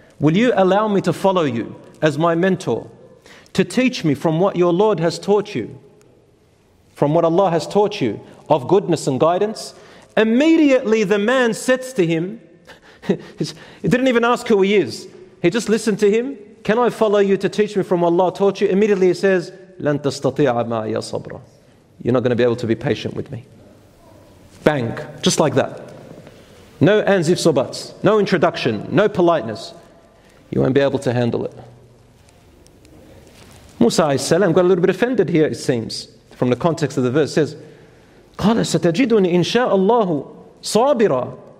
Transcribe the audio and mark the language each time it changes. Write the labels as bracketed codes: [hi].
[en] Will you allow me to follow you as my mentor, to teach me from what your Lord has taught you, from what Allah has taught you of goodness and guidance? Immediately the man says to him, he didn't even ask who he is, he just listened to him, can I follow you to teach me from what Allah taught you? Immediately he says, [ar] لَن تَسْتَطِيعَ مَا يَا صَبْرًا. [en] You're not going to be able to be patient with me. Bang, just like that. No ands, ifs, or buts. No introduction, no politeness. You won't be able to handle it. Musa alayhi salam got a little bit offended here, it seems, from the context of the verse. It says, [ar] قَالَ سَتَجِدُونِ إِنْ شَاءَ اللَّهُ صَابِرًا.